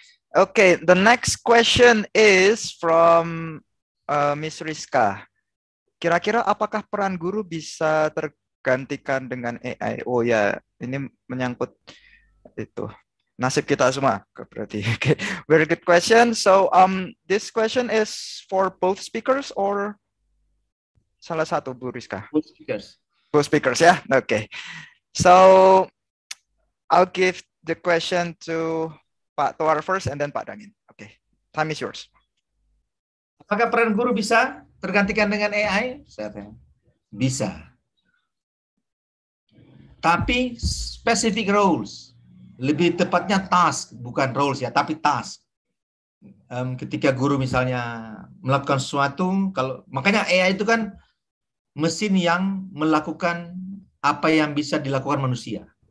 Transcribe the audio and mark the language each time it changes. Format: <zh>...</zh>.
<en>Okay, the next question is from Miss Rizka.</en> <id>Kira-kira apakah peran guru bisa tergantikan dengan AI? Oh ya, yeah. Ini menyangkut itu nasib kita semua.</id> <en>Berarti. Okay, very good question. So this question is for both speakers or</en> <id>salah satu,</id> <en>Bu Rizka? Both speakers, ya. Yeah? Okay. So I'll give the question to Pak Tuar first and then Pak Dangin. Okay, time is yours.</en> <id>Apakah peran guru bisa tergantikan dengan AI? Bisa. Tapi</id> <en>specific roles,</en> <id>lebih tepatnya task, bukan roles ya, tapi task. Ketika guru misalnya melakukan sesuatu, kalau makanya AI itu kan mesin yang melakukan apa yang bisa dilakukan manusia.</id>